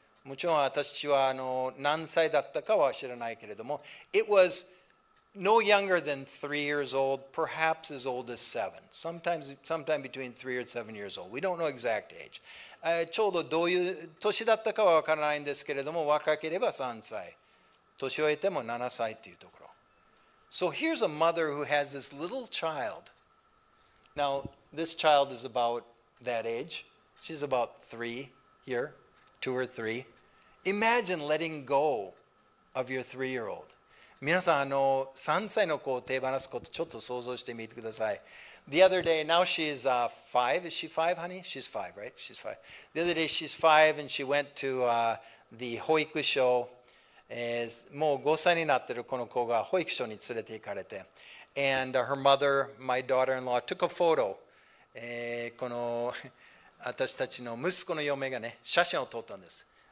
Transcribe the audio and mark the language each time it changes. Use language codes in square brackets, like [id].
[ja] もちろん私はあの何歳だったかは知らないけれども。 [en] It was no younger than 3 years old, perhaps as old as 7. Sometime between 3 and 7 years old. We don't know exact age. [ja] ちょうどどういう年だったかはわからないんですけれども、若ければ3歳。年を得ても7歳というところ。 [en] So here's a mother who has this little child. Now, this child is about that age. She's about three here, two or three. Imagine letting go of your three-year-old. [ja] 皆さん、3歳の子を手放すことちょっと想像してみてください。 [en] The other day, now she's five. Is she five, honey? She's five, right? She's five. The other day, she's five, and she went to the 保育所。 [ja] もう5歳になってるこの子が保育所に連れて行かれて。 [en] And her mother, my daughter-in-law, took a photo. [ja] この私たちの息子の嫁がね、写真を撮ったんです。